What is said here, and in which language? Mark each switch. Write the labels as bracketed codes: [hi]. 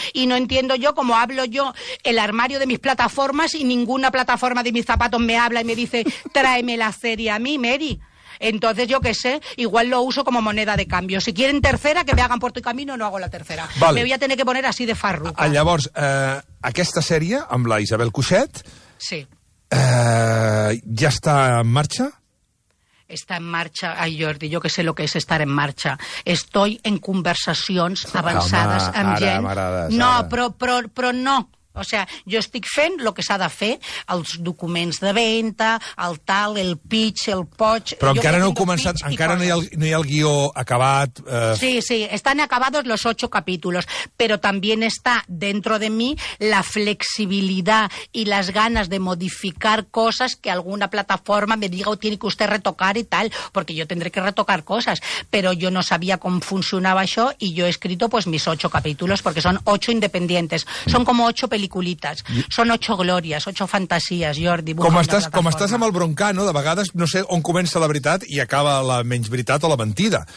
[es] Y no entiendo yo cómo hablo yo el armario de mis plataformas y ninguna plataforma de mis zapatos me habla y me dice: tráeme la serie a mí, Mary. Entonces, yo qué sé, igual lo uso como moneda de cambio. Si quieren tercera, que me hagan Puerto y Camino, no hago la tercera. Vale. Me voy a tener que poner así de farruca. [ca] Llavors, aquesta sèrie, amb la Isabel Coixet... Sí. Ja està en marxa? [es] Está en marcha. Ay, Jordi, yo que sé lo que es estar en marcha. Estoy en conversaciones avanzadas. [ca] Home, ara, amb gent. No, però no. [es] O sea, [ca] jo estic fent el que s'ha de fer, els documents de venda, el tal, el pitch, el poch... Però jo encara no heu començat, encara no hi ha el guió acabat... [es] Sí, sí, están acabados los 8 capítulos, pero también está dentro de mí la flexibilidad y las ganas de modificar cosas que alguna plataforma me diga o tiene que usted retocar y tal, porque yo tendré que retocar cosas, pero yo no sabía cómo funcionaba [ca] això [es] y yo he escrito pues mis 8 capítulos, porque son 8 independientes, son como 8 peliculitas. [ca] Son 8 glòries, 8 fantasies, Jordi. Com estàs amb el Broncà, no? De vegades no sé on comença la veritat i acaba la menys veritat o la mentida.